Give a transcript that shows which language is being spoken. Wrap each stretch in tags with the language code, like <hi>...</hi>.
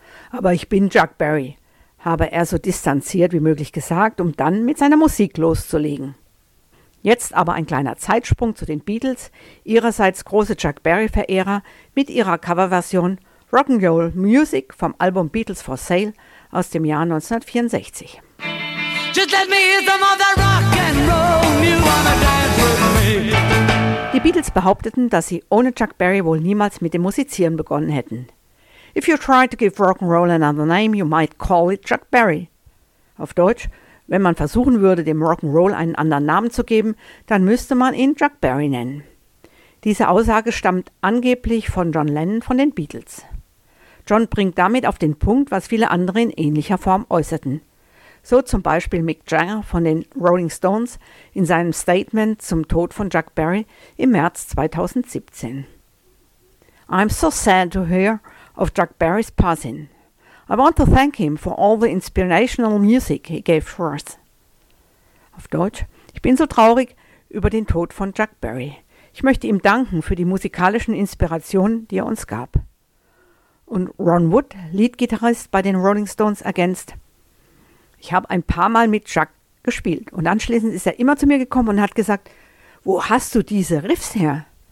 <de>Aber ich bin Chuck Berry, habe er so distanziert wie möglich gesagt, um dann mit seiner Musik loszulegen. Jetzt aber ein kleiner Zeitsprung zu den Beatles, ihrerseits große Chuck Berry-Verehrer mit ihrer Coverversion Rock'n'Roll Music vom Album Beatles for Sale aus dem Jahr 1964.</de> <en>Just let me hear some of that rock and roll. You wanna dance with me?</en> <de>Die Beatles behaupteten, dass sie ohne Chuck Berry wohl niemals mit dem Musizieren begonnen hätten.</de> <en>If you try to give rock and roll another name, you might call it Chuck Berry.</en> <de>Auf Deutsch, wenn man versuchen würde, dem Rock'n'Roll einen anderen Namen zu geben, dann müsste man ihn Chuck Berry nennen. Diese Aussage stammt angeblich von John Lennon von den Beatles. John bringt damit auf den Punkt, was viele andere in ähnlicher Form äußerten. So zum Beispiel Mick Jagger von den Rolling Stones in seinem Statement zum Tod von Chuck Berry im März 2017.</de> <en>I'm so sad to hear of Chuck Berry's passing. I want to thank him for all the inspirational music he gave us.</en> <de>Auf Deutsch, ich bin so traurig über den Tod von Chuck Berry. Ich möchte ihm danken für die musikalischen Inspirationen, die er uns gab. Und Ron Wood, Leadgitarrist bei den Rolling Stones, ergänzt, ich habe ein paar Mal mit Chuck gespielt und anschließend ist er immer zu mir gekommen und hat gesagt, wo hast du diese Riffs her?</de>